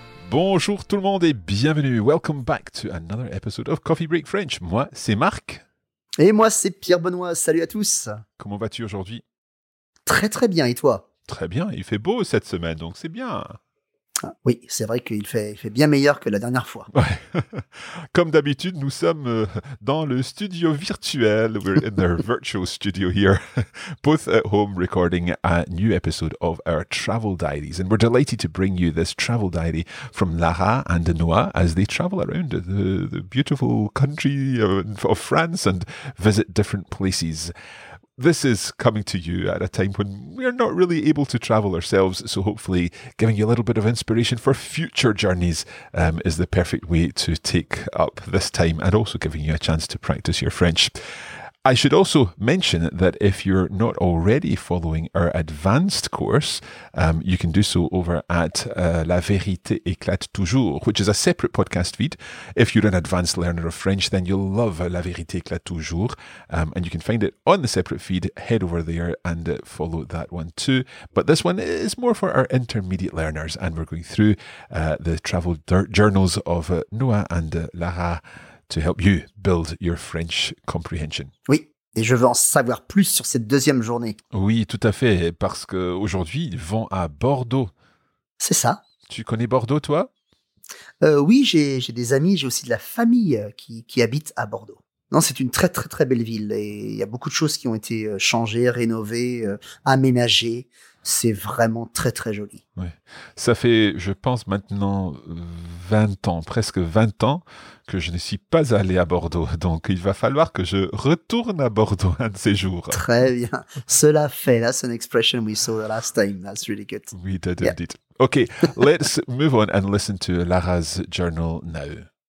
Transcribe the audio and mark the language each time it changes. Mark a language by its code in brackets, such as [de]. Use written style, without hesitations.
[fr] Bonjour tout le monde et bienvenue. [en] Welcome back to another episode of Coffee Break French. [fr] Moi, c'est Marc. Et moi, c'est Pierre-Benoît. Salut à tous. Comment vas-tu aujourd'hui? Très très bien, et toi? Très bien, il fait beau cette semaine, donc c'est bien. Ah, oui, c'est vrai qu'il fait bien meilleur que la dernière fois. Ouais. Comme d'habitude, nous sommes dans le studio virtuel. [en] We're in the virtual studio here, both at home recording a new episode of our travel diaries. And we're delighted to bring you this travel diary from Lara and Noah as they travel around the beautiful country of France and visit different places. This is coming to you at a time when we're not really able to travel ourselves, so hopefully giving you a little bit of inspiration for future journeys is the perfect way to take up this time and also giving you a chance to practice your French. I should also mention that if you're not already following our advanced course, you can do so over at La Vérité Éclate Toujours, which is a separate podcast feed. If you're an advanced learner of French, then you'll love La Vérité Éclate Toujours, and you can find it on the separate feed. Head over there and follow that one too. But this one is more for our intermediate learners, and we're going through the travel journals of Noah and Lara to help you build your French comprehension. [fr] Oui, et je veux en savoir plus sur cette deuxième journée. Oui, tout à fait, parce qu'aujourd'hui, ils vont à Bordeaux. C'est ça. Tu connais Bordeaux, toi? Oui, j'ai des amis, j'ai aussi de la famille qui habite à Bordeaux. Non, c'est une très, très, très belle ville. Et il y a beaucoup de choses qui ont été changées, rénovées, aménagées. C'est vraiment très, très joli. Oui. Ça fait, je pense, maintenant 20 ans, presque 20 ans, que je ne suis pas allé à Bordeaux. Donc, il va falloir que je retourne à Bordeaux un de ces jours. Très bien. Cela fait. [en] That's an expression we saw the last time. That's really good. We did indeed. Yeah. Okay, let's move on and listen to Lara's journal now.